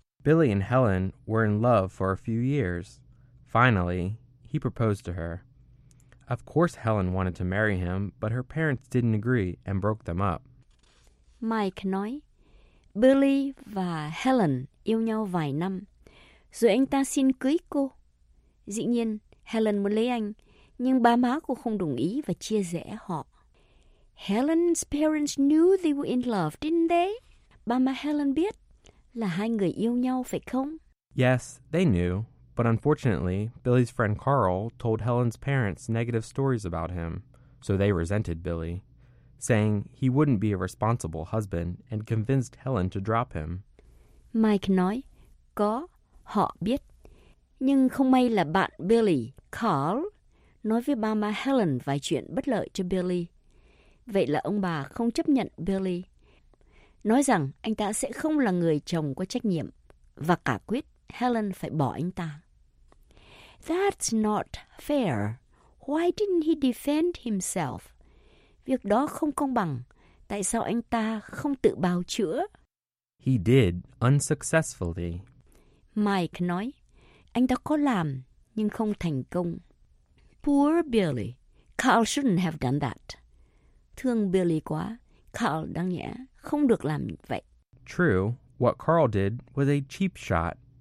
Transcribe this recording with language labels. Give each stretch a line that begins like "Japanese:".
English: Billy and Helen were in love for a few years. Finally, he proposed to her. Of course Helen wanted to marry him, but her parents didn't agree and broke them up.
Vietnamese: Mike nói, Billy và Helen yêu nhau vài năm, rồi anh ta xin cưới cô. Dĩ nhiên, Helen muốn lấy anh, nhưng ba má cô không đồng ý và chia rẽ họ.
English: Helen's parents knew they were in love, didn't they?
Vietnamese: Ba mẹ Helen biết là hai người yêu nhau, phải không?
English: Yes, they knew. But unfortunately, Billy's friend Carl told Helen's parents negative stories about him. So they resented Billy, saying he wouldn't be a responsible husband and convinced Helen to drop him.
Vietnamese: Mike nói, có, họ biết. Nhưng không may là bạn Billy, Carl, nói với ba mẹ Helen vài chuyện bất lợi cho Billy. Vậy là ông bà không chấp nhận Billy. Nói rằng anh ta sẽ không là người chồng có trách nhiệm và cả quyết Helen phải bỏ anh ta.
English: That's not fair. Why didn't he defend himself?
Vietnamese: Việc đó không công bằng. Tại sao anh ta không tự bào chữa?
English: He did, unsuccessfully.
Vietnamese: Mike nói, anh ta có làm nhưng không thành công.
English: Poor Billy. Carl shouldn't have done that.
Vietnamese: Thương Billy quá, Carl đáng nhẽ không được làm vậy.
English: True, what Carl did was a cheap shot.